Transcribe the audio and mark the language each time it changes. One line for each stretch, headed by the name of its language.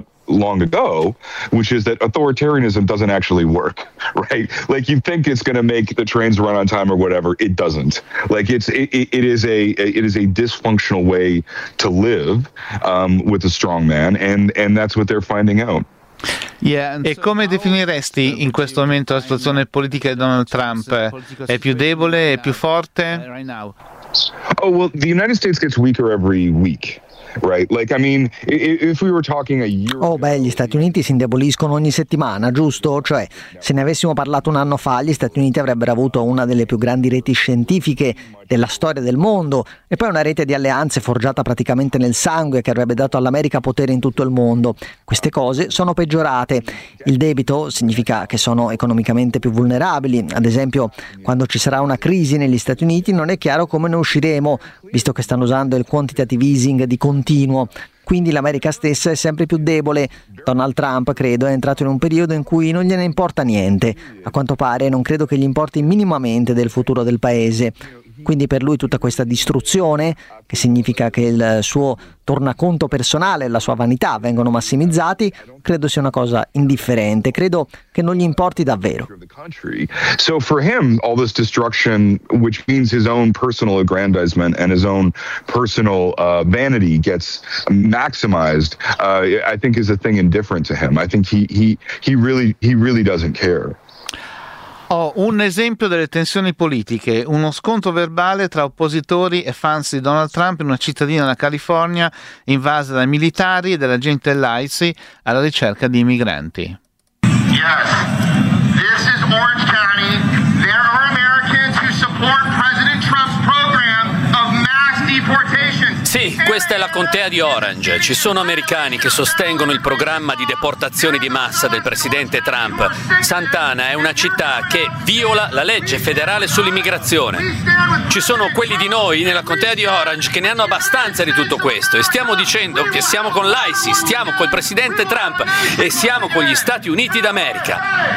English: Long ago, which is that authoritarianism doesn't actually work, right? Like you think it's going to make the trains run on time or whatever, it doesn't. Like it is a dysfunctional way to live with a strong man, and that's what they're finding out.
Italian: E come definiresti in questo momento la situazione politica di Donald Trump? È più debole? È più forte?
English: Oh well, the United States gets weaker every week.
Italian: Gli Stati Uniti si indeboliscono ogni settimana, giusto? Cioè, se ne avessimo parlato un anno fa, gli Stati Uniti avrebbero avuto una delle più grandi reti scientifiche della storia del mondo e poi una rete di alleanze forgiata praticamente nel sangue che avrebbe dato all'America potere in tutto il mondo. Queste cose sono peggiorate. Il debito significa che sono economicamente più vulnerabili. Ad esempio, quando ci sarà una crisi negli Stati Uniti non è chiaro come ne usciremo, visto che stanno usando il quantitative easing di continuo. Quindi l'America stessa è sempre più debole. Donald Trump, credo, è entrato in un periodo in cui non gliene importa niente. A quanto pare non credo che gli importi minimamente del futuro del paese. Quindi per lui tutta questa distruzione, che significa che il suo tornaconto personale e la sua vanità vengono massimizzati, credo sia una cosa indifferente, credo che non gli importi davvero.
English: So for him all this destruction, which means his own personal aggrandizement and his own personal vanity gets maximized, I think is a thing indifferent to him. I think he really doesn't care.
Italian: Ho un esempio delle tensioni politiche, uno scontro verbale tra oppositori e fans di Donald Trump in una cittadina della California invasa dai militari e dell'agente dell'ICE alla ricerca di immigranti.
English: Yes, this is Orange County. There are Americans who support President Trump's program of mass deportation.
Italian: Sì, questa è la contea di Orange. Ci sono americani che sostengono il programma di deportazione di massa del presidente Trump. Sant'Ana è una città che viola la legge federale sull'immigrazione. Ci sono quelli di noi nella contea di Orange che ne hanno abbastanza di tutto questo e stiamo dicendo che siamo con l'ISIS, stiamo col presidente Trump e siamo con gli Stati Uniti d'America.